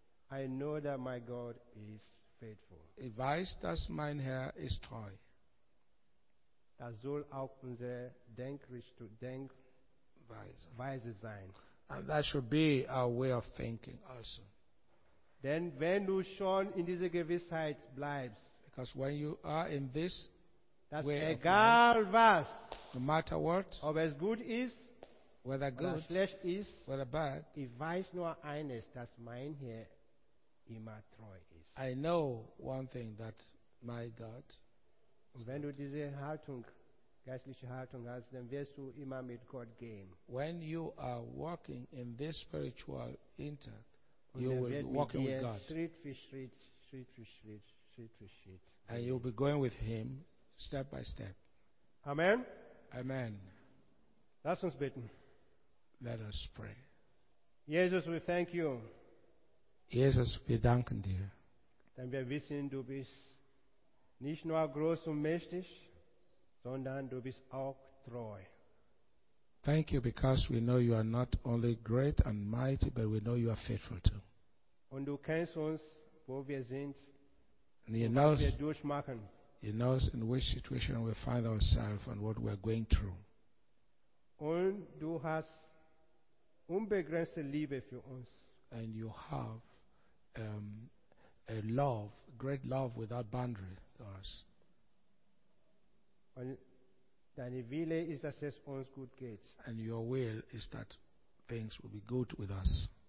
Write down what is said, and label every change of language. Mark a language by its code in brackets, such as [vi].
[en] I know that my God is faithful. [de] Ich weiß, dass mein Herr ist treu. Das soll auch unsere Denkweise sein. [en] And that should be our way of thinking also. [de] Denn wenn du schon in dieser Gewissheit bleibst, [en] because when you are in this, [de] dass egal was, [en] no matter what, [de] ob es gut ist, [en] whether good, [de] oder schlecht ist, [en] whether bad, [de] ich weiß nur eines, dass mein Herr immer treu ist. [en] I know one thing, that my God. [de] Und wenn du diese Haltung, geistliche Haltung hast, dann wirst du immer mit Gott gehen. [en] When you are walking in this spiritual intact, you will be walking with God. [de] Schritt für Schritt, Schritt für Schritt, Schritt für Schritt. [en] And you'll be going with Him. Step by step. Amen. Amen. [de] Lass uns beten. [en] Let us pray. Jesus, we thank you. [de] Jesus, wir danken dir. Denn wir wissen, du bist nicht nur groß und mächtig, sondern du bist auch treu. [en] Thank you, because we know you are not only great and mighty, but we know you are faithful too. [de] Und du kennst uns, wo wir sind, [en] and you know [de] wir durchmachen. [en] He knows in which situation we find ourselves and what we are going through. [de] Und du hast unbegrenzte Liebe für uns. [en] And you have a love, great love without boundary to us. [de] Und deine Wille ist, dass es uns gut geht. [en] And your will is that things will be good with us.